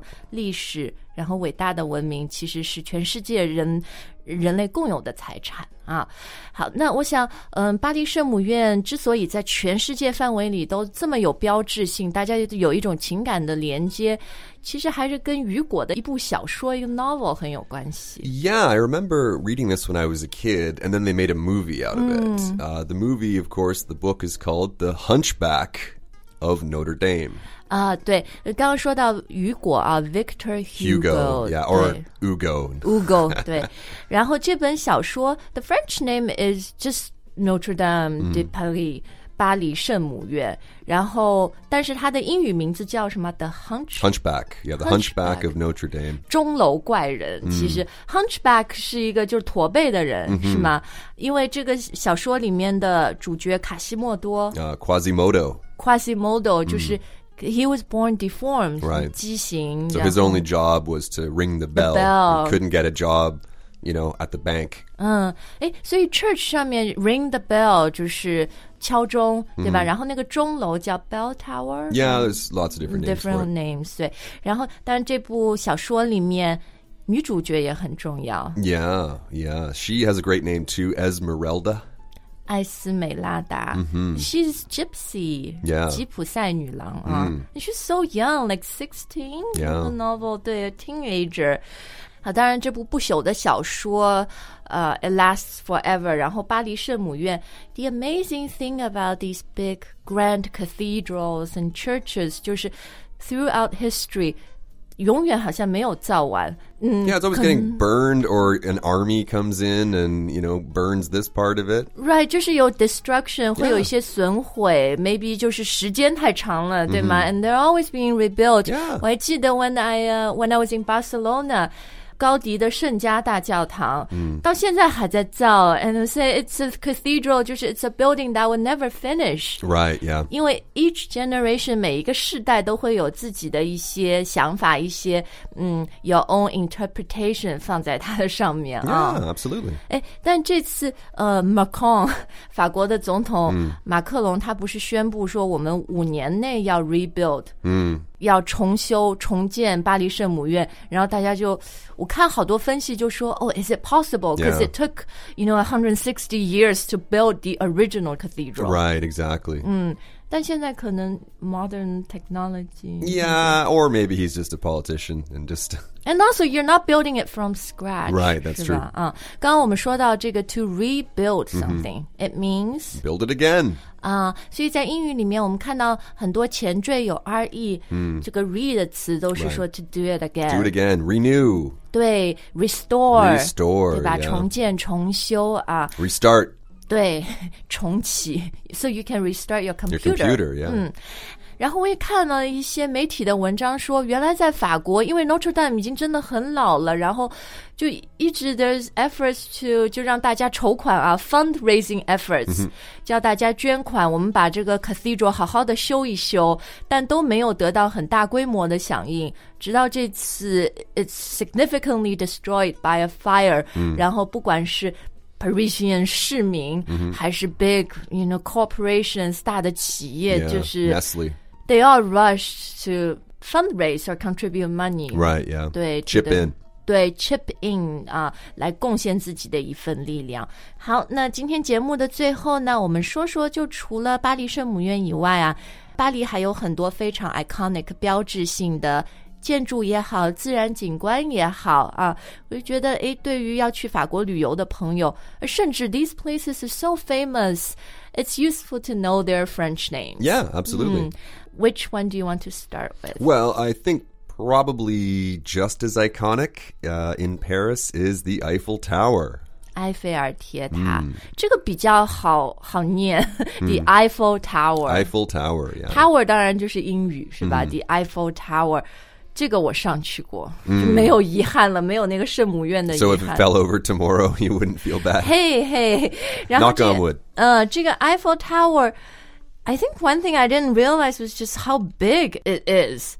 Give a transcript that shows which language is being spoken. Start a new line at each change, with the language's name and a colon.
Chinese: 历史然后伟大的文明其实是全世界人类共有的财产啊。好，那我想巴黎圣母院之所以在全世界范围里都这么有标志性，大家有一种情感的连接，其实还是跟雨果的一部小说一个 novel 很有关系。
English: Yeah, I remember reading this when I was a kid and then they made a movie out of it、mm. The movie, of course, the book is called The Hunchback of Notre Dame
Chinese: 对，刚刚说到雨果啊 ，Victor Hugo,
English: yeah, or Hugo.
Chinese: Hugo, 对。然后这本小说
English: ，the French name is just Notre Dame de Paris,、mm.
Chinese: 巴黎圣母院。然后，但是它的英语名字叫什么 ？The Hunchback.
English: Hunchback, yeah, the Hunchback of Notre Dame.
Chinese: 钟楼怪人。Mm. 其实 ，Hunchback 是一个就是驼背的人， mm-hmm. 是吗？因为这个小说里面的主角卡西莫多
English: ，Quasimodo.
Chinese: Quasimodo 就是、mm.。
English: He was born deformed, right?
Chinese: 畸形
English: So his only job was to ring the bell. The bell. He couldn't get a job, you know, at the bank.
Chinese: 所以 church 上面 ring the bell 就是敲钟，对吧？然后那个钟楼叫 bell tower.
English: Yeah, there's lots of different names. Different names.
Chinese: 对，然后但这部小说里面女主角也很重要。
English: Yeah, yeah. She has a great name too, Esmeralda.
Chinese: 艾斯美拉达、
English: mm-hmm. She's gypsy、 yeah.
Chinese: 吉普赛女郎、
English: mm. She's so young, like 16 yeah. in the novel, 对 a teenager、
Chinese: 当然这部不朽的小说、
English: It lasts forever
Chinese: 然后巴黎圣母院
English: The amazing thing about these big grand cathedrals and churches 就是 throughout history
Chinese: 永远好像没有造完、
English: Yeah, it's always getting burned or an army comes in and, you know, burns this part of it. Right,
Chinese: 就是有
English: destruction,、 yeah.
Chinese: 会有一些损毁 maybe 就是时间太长了、mm-hmm. 对吗
English: And they're always being rebuilt. Yeah.
Chinese: 我还记得
English: when I was in Barcelona,
Chinese: 高迪的圣家大教堂、
English: mm.
Chinese: 到现在还在造
English: And they say it's a cathedral, 就是 it's a building that will never finish. Right, yeah.
Chinese: 因为
English: each generation,
Chinese: 每一个世代都会有自己的一些想法一些、
English: your own interpretation
Chinese: 放在它的上面
English: Yeah,、
Chinese: 哦、
English: absolutely.
Chinese: 但这次、Macron, 法国的总统、mm. 马克龙他不是宣布说我们五年内要 rebuild、
English: mm.
Chinese: 要重修重建巴黎圣母院然后大家就我看好多分析就说
English: Oh, is it possible? Because、 yeah. it took, you know, 160 years to build the original cathedral. Right, exactly.
Chinese: 但现在可能 modern technology.
English: Yeah, or maybe he's just a politician and just... And also, you're not building it from scratch. Right, that's true.
Chinese: 刚刚我们说到这个
English: to rebuild something,、
Chinese: mm-hmm.
English: it means... Build it again.
Chinese: 所以在英语里面我们看到很多前缀有 RE、
English: mm.
Chinese: 这个 RE 的词都是说
English: to do it again、 right. Do it again, renew
Chinese: 对 restore
English: Restore
Chinese: 对吧、
English: yeah.
Chinese: 重建重修、
English: Restart
Chinese: 对重启
English: So you can restart your computer Your computer, yeah、
Chinese: 然后我也看了一些媒体的文章说原来在法国因为 Notre Dame 已经真的很老了然后就一直
English: there's efforts to
Chinese: 就让大家筹款啊
English: fundraising efforts、 mm-hmm.
Chinese: 叫大家捐款我们把这个 cathedral 好好的修一修但都没有得到很大规模的响应直到这次
English: it's significantly destroyed by a fire、 mm-hmm.
Chinese: 然后不管是Parisian 市民、
English: mm-hmm.
Chinese: 还是
English: big you know, corporations
Chinese: 大的企业
English: yeah,
Chinese: 就是
English: Nestle They all rush to fundraise or contribute money Right, yeah
Chinese: 对
English: Chip in
Chinese: 对 chip in、来贡献自己的一份力量好那今天节目的最后呢我们说说就除了巴黎圣母院以外啊，巴黎还有很多非常 iconic 标志性的建筑也好自然景观也好、我就觉得对于要去法国旅游的朋友甚至
English: these places are so famous it's useful to know their French names yeah absolutely、 which one do you want to start with well I think probably just as iconic in Paris is the Eiffel Tower.
Chinese: 埃菲尔铁塔、mm. 这个比较 好念 The、mm.
English: Eiffel Tower Eiffel Tower、yeah.
Chinese: Tower 当然就是英语是吧、mm. The Eiffel Tower 这个我上去过、mm. 没有遗憾了没有那个圣母院的遗憾
English: So if it fell over tomorrow you wouldn't feel bad Hey hey Knock on wood、这个 Eiffel TowerI think one thing I didn't realize was just how big it is.